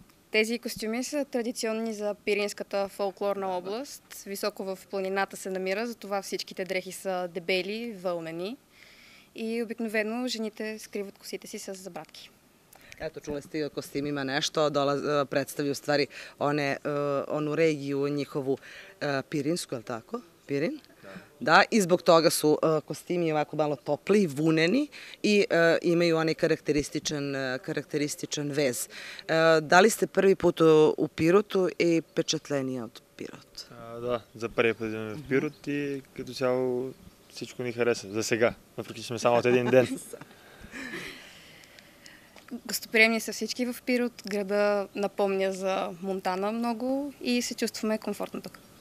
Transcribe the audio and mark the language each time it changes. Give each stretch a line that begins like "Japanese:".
Bulgarian: Тези костюми са традиционни за Пиринската фолклорна област. Високо в планината се намира, затова всичките дрехи са дебели, вълнени. И обикновено жените скриват косите си с забратки.
Serbian: Ето, чули сте и о костим, има нещо, представи у ствари ону регију њихову Пиринску, је ли тако? Пирин? Да, и због тога су костими овако мало топли и вунени и имају они карактеристичан вез. Да ли сте први пут у Пироту и печатленија од Пирот?
Bulgarian: Да, за први пут идем в Пирот и като цяло всичко ни хареса, за сега, въпреки че сме само от един ден. Гостоприемни са всички в Пирот, града напомня за Монтана много и се чувстваме комфортно тук.